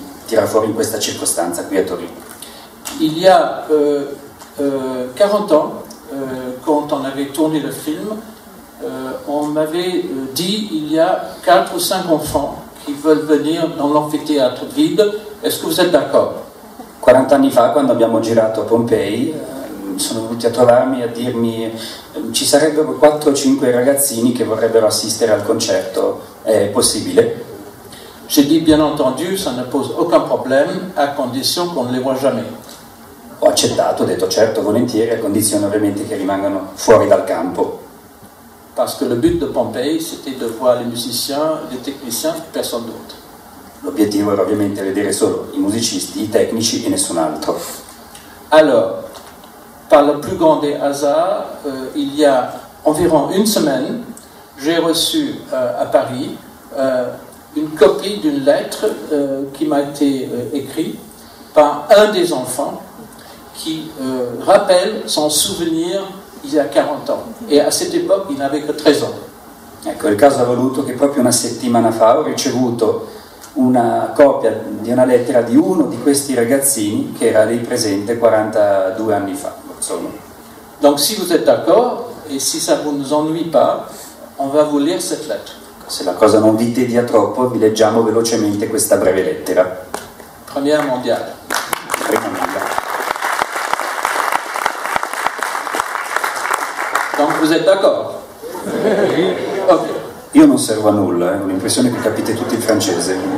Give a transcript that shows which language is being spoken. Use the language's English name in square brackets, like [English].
[Italian] Tirare fuori in questa circostanza qui a Torino. [French] Il y a 40 ans, quand on avait tourné le film, on m'avait dit il y a 4 ou 5 enfants qui veulent venir dans l'amphithéâtre vide. Est-ce que vous êtes d'accord? [Italian] 40 anni fa, quando abbiamo girato Pompei, sono venuti a trovarmi a dirmi ci sarebbero 4 o 5 ragazzini che vorrebbero assistere al concerto. È possibile? [French] J'ai dit bien entendu, ça ne pose aucun problème à condition qu'on ne les voit jamais. [Italian] Ho accettato, ho detto certo, volentieri, a condizione ovviamente che rimangano fuori dal campo. [French] Parce que le but de Pompeii, c'était de voir les musiciens, les techniciens, personne d'autre. [Italian] L'obiettivo era ovviamente vedere solo i musicisti, i tecnici e nessun altro. [French] Alors, par le plus grand des hasards, il y a environ une semaine, j'ai reçu à Paris une copie d'une lettre qui m'a été écrite par un des enfants qui rappelle son souvenir il y a 40 ans. Et à cette époque, il n'avait que 13 ans. [Italian] Ecco, il caso ha voluto che proprio una settimana fa ho ricevuto una copia di una lettera di uno di questi ragazzini che era lì presente 42 anni fa. Insomma. [French] Donc, si vous êtes d'accord, et si ça ne vous ennuie pas, on va vous lire cette lettre. [Italian] Se la cosa non vi tedia troppo, vi leggiamo velocemente questa breve lettera. [French] Première mondiale. [Italian] Prima mondiale. [French] Donc vous êtes d'accord? [English] Okay. [Italian] Io non servo a nulla, ho l'impressione che capite tutti il francese.